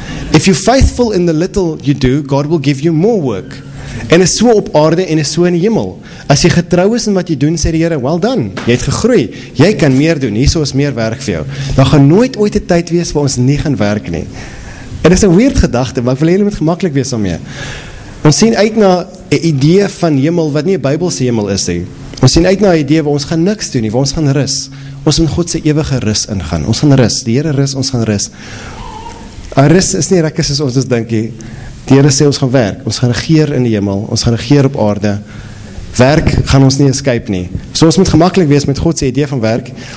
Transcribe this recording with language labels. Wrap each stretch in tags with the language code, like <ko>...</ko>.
<en>If you're faithful in the little you do, God will give you more work.</en> <af>En is so op aarde en is so in die hemel. As jy getrou is in wat jy doen, sê die Here,</af> <en>well done,</en> <af>jy het gegroei, jy kan meer doen, hier so is meer werk vir jou. Daar gaan nooit ooit die tyd wees waar ons nie gaan werk nie. En dit is 'n weird gedagte, maar ek wil hê jy moet gemaklik wees daarmee. Ons sien uit na 'n idee van hemel wat nie 'n Bybelse hemel is nie. Ons sien uit na 'n idee waar ons gaan niks doen nie, waar ons gaan rus. Ons in God se ewige rus ingaan. Ons gaan rus. Die Here rus, ons gaan rus. 'N Rus is nie rekkies soos ons dit dink nie. Die Here sê ons gaan werk. Ons gaan regeer in die hemel. Ons gaan regeer op aarde. Werk gaan ons nie escape nie. So ons moet gemaklik wees met God se idee van werk.</af>